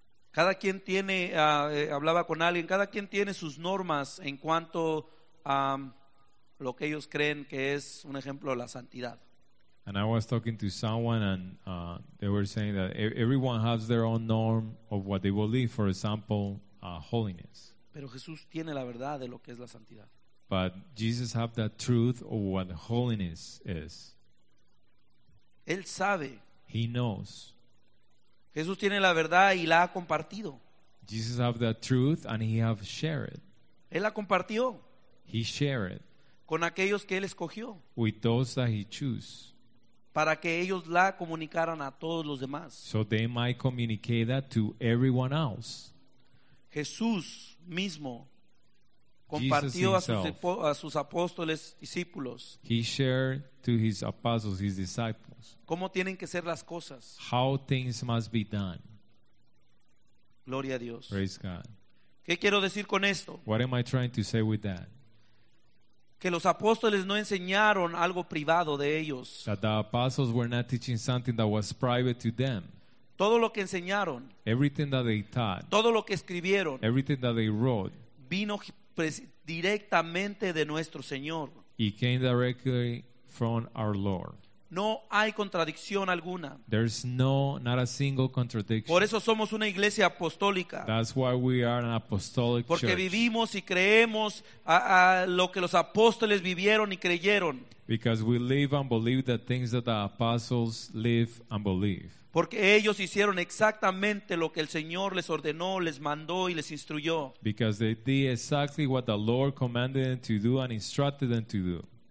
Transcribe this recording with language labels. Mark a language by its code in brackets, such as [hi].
[es] Cada quien tiene, hablaba con alguien, cada quien tiene sus normas en cuanto a lo que ellos creen que es un ejemplo de la santidad. [en] And I was talking to someone and they were saying that everyone has their own norm of what they believe, for example, holiness. [es] Pero Jesús tiene la verdad de lo que es la santidad. [en] But Jesus have the truth of what holiness is. [es] Él sabe. [en] He knows. [es] Jesús tiene la verdad y la ha compartido. [en] Jesus have the truth and he have shared. [es] Él la compartió. [en] He shared. [es] Con aquellos que él escogió. [en] With those that he chose. [es] Para que ellos la comunicaran a todos los demás. [en] So they might communicate that to everyone else. [es] Jesús mismo compartió a sus apóstoles, discípulos. [en] He shared to his apostles, his disciples. [es] Cómo tienen que ser las cosas. [en] How things must be done. [es] Gloria a Dios. [en] Praise God. [es] ¿Qué quiero decir con esto? [en] What am I trying to say with that? [es] Que los apóstoles no enseñaron algo privado de ellos. [en] That the apostles were not teaching something that was private to them. [es] Todo lo que enseñaron. [en] Everything that they taught. [es] Todo lo que escribieron. [en] Everything that they wrote. [es] Vino directamente de nuestro Señor. [en] It came directly from our Lord. [es] No hay contradicción alguna. [en] There's no, not a single contradiction. [es] Por eso somos una iglesia apostólica. [en] That's why we are an apostolic [es] Porque [en] church. [es] Vivimos y creemos a lo que los apóstoles vivieron y creyeron. [en] Because we live and believe the things that the apostles live and believe. [es] Porque ellos hicieron exactamente lo que el Señor les ordenó, les mandó y les instruyó. [en] Because they did exactly what the Lord commanded them to do and instructed them to do.